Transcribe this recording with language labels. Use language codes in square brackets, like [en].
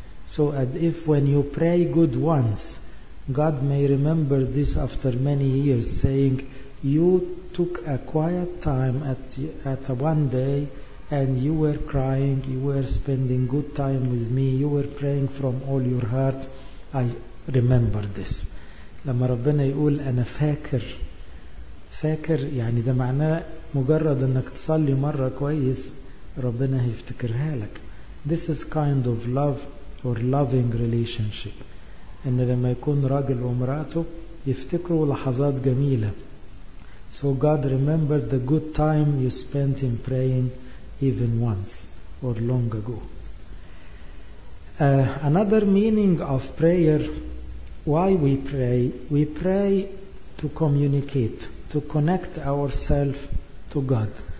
[en] So as if when you pray good once, God may remember this after many years, saying, "You took a quiet time at one day, and you were crying, you were spending good time with me, you were praying from all your heart. I remember this." [ar] لما ربنا يقول أنا فاكر, فاكر يعني ده معناه مجرد أنك تصلي مرة كويس ربنا هيفتكرها لك. [en] This is kind of love or loving relationship. [ar] إن لما يكون راجل ومراته يفتكروا لحظات جميلة. [en] So God remembered the good time you spent in praying even once or long ago. Another meaning of prayer, why we pray? We pray to communicate, to connect ourselves to God.